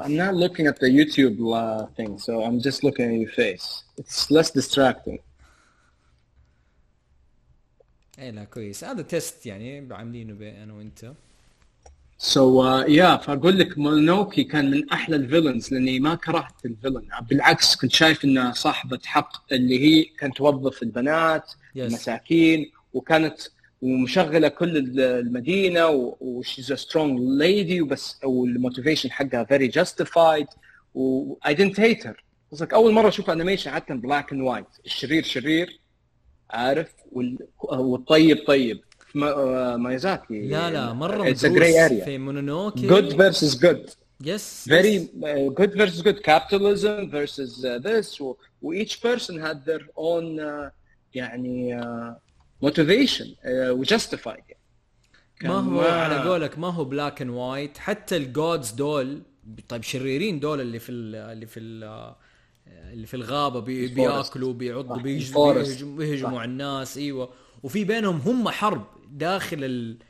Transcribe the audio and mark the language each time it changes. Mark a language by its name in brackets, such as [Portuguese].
[English] I'm not looking at the YouTube thing so I'm just looking at your face, it's less distracting. [Arabic] اي لا كويس هذا تيست يعني عاملينه بي انا وانت. [English] So yeah, [Arabic] فأقول لك مونوكي كان من أحلى الفيلنز لأني ما كرهت الفيلن, بالعكس كنت شايف إنها صاحبة حق اللي هي كانت توظف البنات [English] yes. [Arabic] المساكين وكانت ومشغلة كل المدينة و [English] she's a strong lady [Arabic] وبس والموتيفيشن حقها [English] very justified [Arabic] و [English] I didn't hate her. [Arabic] قلت لك أول مرة أشوف أنميشن حتى بلاك أند وايت الشرير شرير عارف والطيب طيب. ميازاكي لا لا مرة مدروس في مونونوكي. [English] good versus good yes very yes. Good versus good capitalism versus this و each person had their own يعني motivation justified. [Arabic] ما هو على قولك ما هو [English] black and white [Arabic] حتى ال [English] gods [Arabic] دول طيب شريرين دول اللي في اللي في اللي في الغابة بياكلوا بيعضوا بيهجموا على الناس ايوة وفي بينهم هم حرب داخل ال